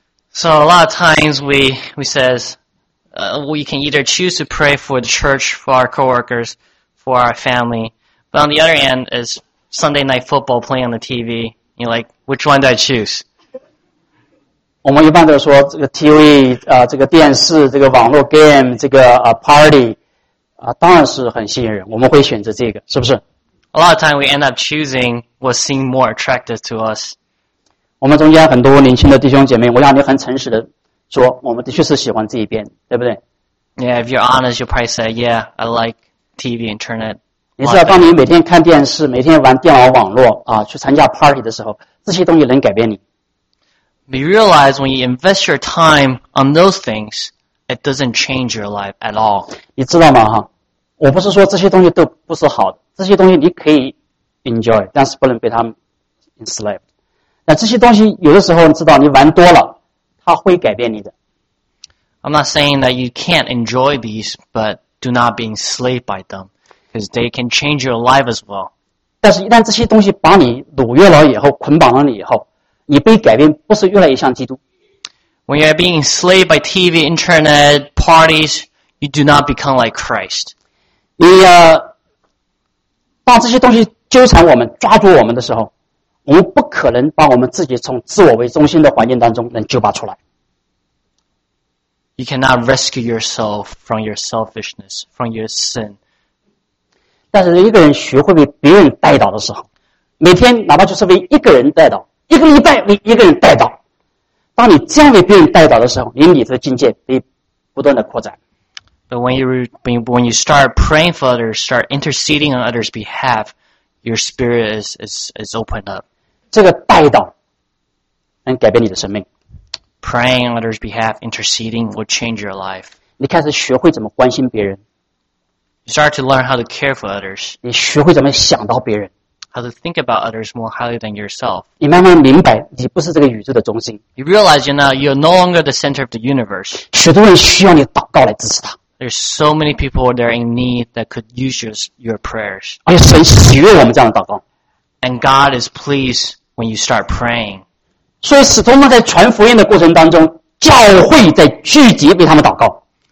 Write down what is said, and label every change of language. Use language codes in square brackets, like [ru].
[en] ？So a lot of times we says. We can either choose to pray for the church, for our coworkers, for our family. But on the other hand, is Sunday night football playing on the TV. You're like, which one do I choose? [zh] 我们一般都说这个 TV, 这个电视，这个网络 game, 这个party, 当然是很吸引人。我们会选择这个，是不是？ [en] A lot of time we end up choosing what seems more attractive to us. [zh] 我们中间很多年轻的弟兄姐妹，我想你很诚实的。说我们的确是喜欢这一边，对不对 [en] ？Yeah, if you're honest, you'll probably say, "Yeah, I like TV, internet." [zh] 你知道，当你每天看电视、每天玩电脑网络啊，去参加 party 的时候，这些东西能改变你。 [en] You realize when you invest your time on those things, it doesn't change your life at all. [zh] 你知道吗？哈，我不是说这些东西都不是好的，这些东西你可以 enjoy， 但是不能被他们 enslave。那这些东西有的时候，你知道，你玩多了。它会改变你的。 [en] I'm not saying that you can't enjoy these, but do not be enslaved by them, because they can change your life as well. [zh] 但是一旦这些东西把你掳掠了以后，捆绑了你以后，你被改变不是越来越像基督。 [en] When you are being enslaved by TV, internet, parties, you do not become like Christ. [zh] 你当这些东西纠缠我们、抓住我们的时候。我们不可能把我们自己从自我为中心的环境当中能救拔出来。 [en] You cannot rescue yourself from your selfishness, from your sin. [zh] 但是一个人学会为别人代祷的时候，每天哪怕就是为一个人代祷，一个礼拜为一个人代祷，当你这样为别人代祷的时候，你里头的境界会不断的扩展。 [en] But when you start praying for others, start interceding on others' behalf,Your spirit is opened up. [zh] 这个代祷能改变你的生命。 [en] Praying on others' behalf, interceding will change your life. [zh] 你开始学会怎么关心别人。 [en] You start to learn how to care for others. [zh] 你学会怎么想到别人。 [en] How to think about others more highly than yourself. [zh] 你慢慢明白你不是这个宇宙的中心。 [en] You realize you're now you're no longer the center of the universe. [zh] 许多人需要你祷告来支持他。 [en] There's so many people there in need that could use your prayers. [zh] 而且神喜悦我们这样的祷告。 [en] And God is pleased when you start praying. [zh] 所以使徒们在传福音的过程当中，教会在聚集为他们祷告。